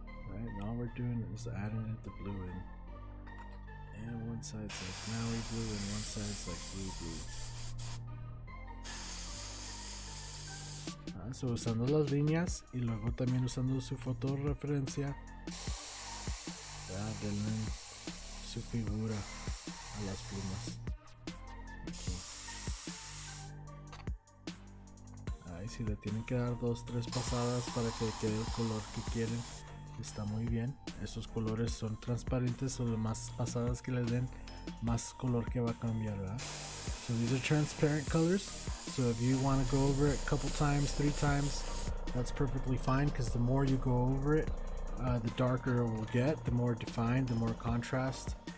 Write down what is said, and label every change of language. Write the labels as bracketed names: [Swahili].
[English] Right, and all we're doing is adding the blue in. And one side's like Maui blue, and one side's like blue blue. [Spanish] Ah, so usando las líneas, y luego también usando su fotorreferencia, ya denle su figura a las plumas. Ahí sí, le tienen que dar dos, tres pasadas para que quede el color que quieren. Está muy bien, esos colores son transparentes, son las más pasadas que le den, más color que va a cambiar, ¿verdad? [English] So these are transparent colors, so if you want to go over it a couple times, three times, that's perfectly fine, because the more you go over it, the darker it will get, the more defined, the more contrast.